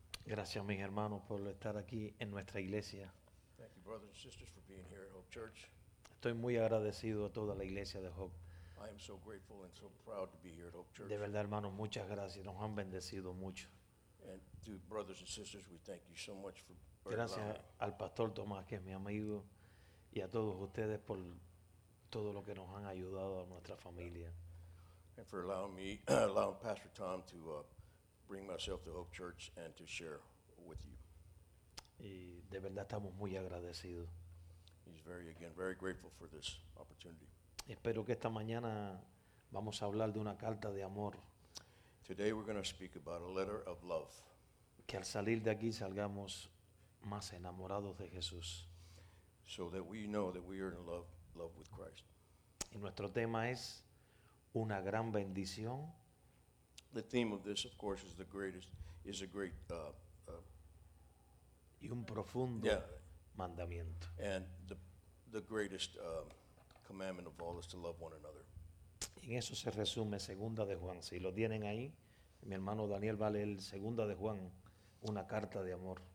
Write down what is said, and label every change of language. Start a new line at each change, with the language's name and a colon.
Spanish: Gracias, mis hermanos, por estar aquí en nuestra iglesia.
English: Thank you, brothers and sisters, for being here at Hope Church.
Spanish: Estoy muy agradecido a toda la iglesia de Hope.
English: I am so grateful and so proud to be here at Hope Church.
Spanish: De verdad, hermanos, muchas gracias. Nos han bendecido mucho.
English: And to brothers and sisters, we thank you so much for allowing.
Spanish: Gracias al pastor Tomás, que es mi amigo, y a todos ustedes por todo lo que nos han ayudado a nuestra familia.
English: And for allowing Pastor Tom to bring myself to Hope Church and to share with you.
Spanish: Y de verdad estamos muy agradecidos.
English: He's very grateful for this opportunity.
Spanish: Espero que esta mañana vamos a hablar de una carta de amor.
English: Today we're going to speak about a letter of love.
Spanish: Que al salir de aquí salgamos más enamorados de Jesús.
English: So that we know that we are in love with Christ.
Spanish: Y nuestro tema es una gran bendición.
English: The theme of this, of course, is the greatest, is a great
Spanish: y un profundo.
English: Yeah.
Spanish: Mandamiento.
English: And the greatest commandment of all is to love one another.
Spanish: En eso se resume Segunda de Juan. Si lo tienen ahí, mi hermano Daniel va a leer Segunda de Juan, una carta de amor.